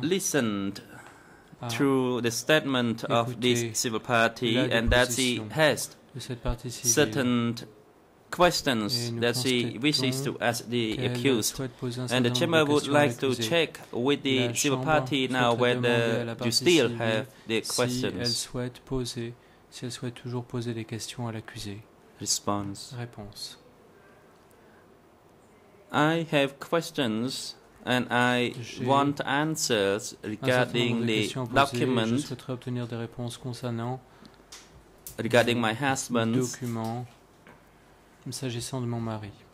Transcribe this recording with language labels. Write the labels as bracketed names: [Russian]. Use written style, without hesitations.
[English] listened through the statement of this civil party and that he has certain questions that she wishes to ask the accused. And the chamber would like to check with the civil party now whether you still have the questions. [French] Si elle souhaite poser, si elle souhaite toujours poser des questions à l'accusé. [English] Response. [French] Réponse. [English] I have questions and I want answers regarding the document. [French] Je souhaiterais obtenir des réponses concernant [English] regarding my husband's [French] document. S'agissant de mon mari.